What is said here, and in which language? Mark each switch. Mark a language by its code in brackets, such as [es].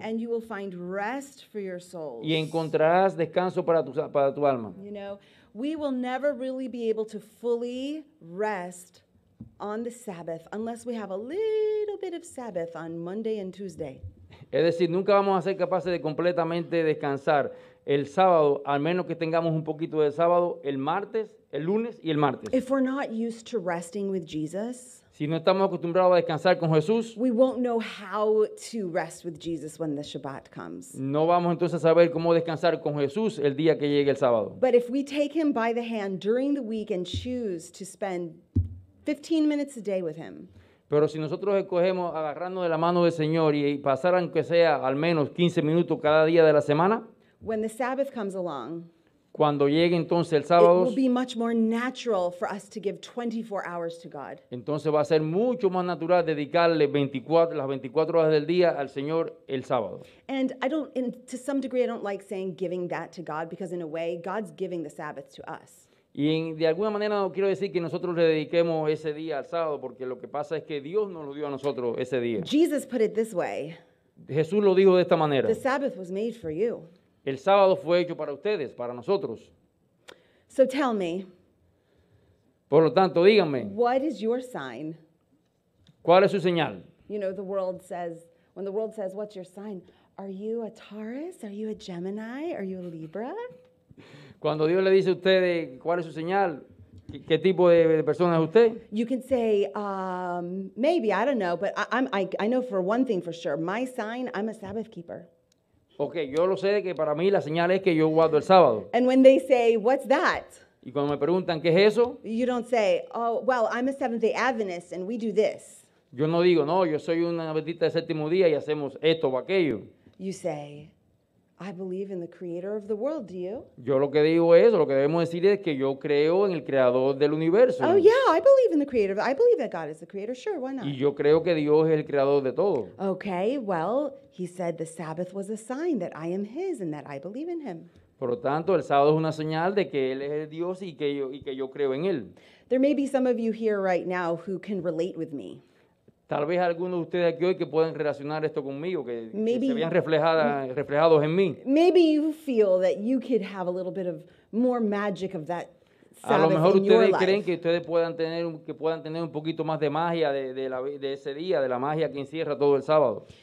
[en] And you will find rest for your souls. [es] Y encontrarás descanso para tu alma. [en] You know, we will never really be able to fully rest on the Sabbath unless we have a little bit of Sabbath on Monday and Tuesday. [es] Es decir, nunca vamos a ser capaces de completamente descansar el sábado, al menos que tengamos un poquito de sábado el martes, el lunes y el martes. [en] If we're not used to resting with Jesus, [es] si no estamos acostumbrados a descansar con Jesús, [en] we won't know how to rest with Jesus when the Shabbat comes. [es] No vamos entonces a saber cómo descansar con Jesús el día que llegue el sábado. [en] But if we take him by the hand during the week and choose to spend 15 minutes a day with him. [es] Pero si nosotros escogemos agarrarnos de la mano del Señor y pasar aunque sea al menos 15 minutos cada día de la semana, [en] when the Sabbath comes along, [es] Cuando llegue entonces el sábado, [en] it will be much more natural for us to give 24 hours to God. [es] Entonces va a ser mucho más natural dedicarle 24, las 24 horas del día al Señor el sábado. [en] And I don't, and to some degree, I don't like saying giving that to God, because in a way, God's giving the Sabbath to us. [es] Y de alguna manera no quiero decir que nosotros le dediquemos ese día al sábado, porque lo que pasa es que Dios nos lo dio a nosotros ese día. [en] Jesus put it this way. [es] Jesús lo dijo de esta manera. [en] The Sabbath was made for you. [es] El sábado fue hecho para ustedes, para nosotros. [en] So tell me. [es] Por lo tanto, díganme. [en] What is your sign? [es] ¿Cuál es su señal? [en] You know, the world says, when the world says, what's your sign? Are you a Taurus? Are you a Gemini? Are you a Libra? [es] Cuando Dios le dice a ustedes, ¿cuál es su señal? ¿Qué tipo de persona es usted? [en] You can say, maybe, I don't know, but I know for one thing for sure. My sign, I'm a Sabbath keeper. [es] Okay, yo lo sé que para mí la señal es que yo guardo el sábado. [en] And when they say, what's that? [es] Y cuando me preguntan, ¿qué es eso? [en] You don't say, oh, well, I'm a Seventh-day Adventist and we do this. [es] Yo no digo, no, yo soy una adventista de séptimo día y hacemos esto o aquello. [en] You say, I believe in the creator of the world, do you? [es] Yo lo que digo es eso, lo que debemos decir es que yo creo en el creador del universo. [en] Oh, yeah, I believe in the creator. I believe that God is the creator. Sure, why not? [es] Y yo creo que Dios es el creador de todo. [en] Okay, well, he said the Sabbath was a sign that I am his and that I believe in him. [es] Por lo tanto, el sábado es una señal de que él es el Dios y que yo creo en él. [en] There may be some of you here right now who can relate with me. [es] Tal vez algunos de ustedes aquí hoy que puedan relacionar esto conmigo, que maybe, se vean reflejados en mí. [en] Maybe you feel that you could have a little bit of more magic of that Sabbath in your life. [es] A lo mejor ustedes creen que ustedes puedan tener un poquito más de magia de ese día, de la magia que encierra todo el sábado.